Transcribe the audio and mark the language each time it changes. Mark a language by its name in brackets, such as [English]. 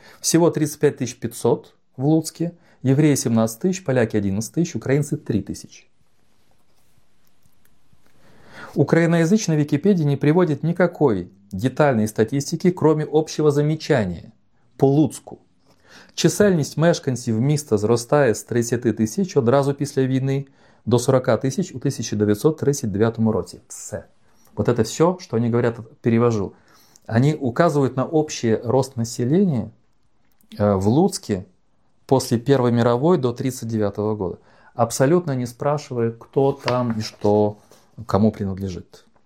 [Russian] Всего 35 500 в Луцке, евреи 17 000, поляки 11 000, украинцы 3 000. Украиноязычная Википедия не приводит никакой детальной статистики, кроме общего замечания по Луцку. [Ukrainian] Чисельність мешканців міста зростає з 30 тисяч одразу після війни до 40 тисяч у 1939 році. [Russian] Все. Вот это все, что они говорят, перевожу. Они указывают на общий рост населения в Луцке после Первой мировой до 1939 года. Абсолютно не спрашивая, кто там и что, кому принадлежит.